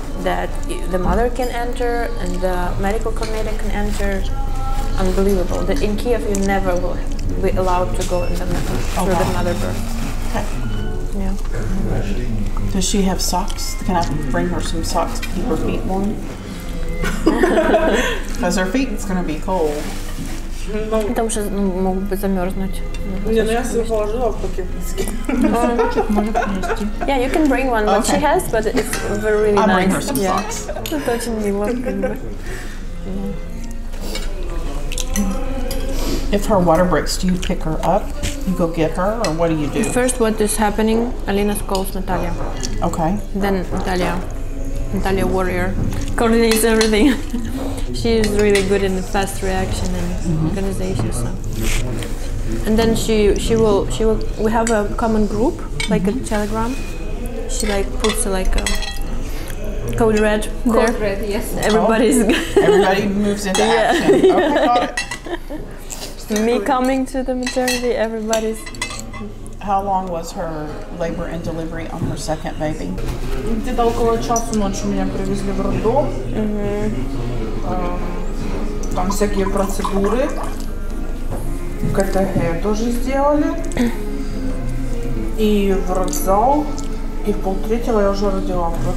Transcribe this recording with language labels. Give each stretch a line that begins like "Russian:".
English: That the mother can enter and the medical coordinator can enter. Unbelievable. That in Kiev you never will be allowed to go in the through the mother birth. Okay. Yeah. Does she have socks? Can I bring her some socks to keep her feet warm? Because her feet is going to be cold.
Russian: Потому что мог бы замерзнуть. Не, ну я себе положила в пакетнички.
English: Yeah, you can bring one, what she has, but it's very nice. I'll bring her some socks.
Russian: Это очень мило.
English: If her water breaks, do you pick her up? You go get her, or what do you do? First, what is happening? Alina calls Natalia. Okay. Then Natalia warrior, coordinates everything. She is really good in the fast reaction and mm-hmm. organization. So. And then she will. We have a common group, like mm-hmm. a Telegram. She like puts like a code red. Code red, yes. Everybody's. Everybody moves into action. Yeah. Okay, got it. Me coming to the maternity. Everybody's. How long was her labor and delivery on her second baby?
Russian: Где-то около часу ночи меня привезли в роддом. там всякие процедуры. КТГ тоже сделали. И в родзал. И в полтретьего я уже родила.